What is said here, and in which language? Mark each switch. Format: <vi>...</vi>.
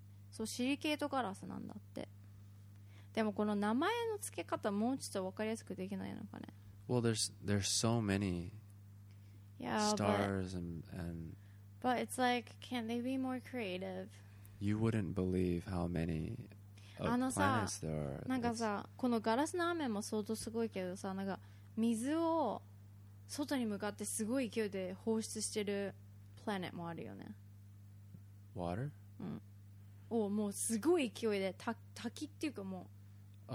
<ja>そう、シリケートガラスなんだって。でもこの名前の付け方もうちょっと分かりやすくできないのかね。</ja> <en>Well, there's so many stars and but it's like, can't they be more creative? You wouldn't believe how many planets there are.</en> <ja>なんかさ、このガラスの雨も相当すごいけどさ、なんか水を外に向かってすごい勢いで放出してるプラネットもあるよね。</ja> <en>Water?</en> <ja>うん。お、もうすごい勢いで滝っていうかもう、</ja>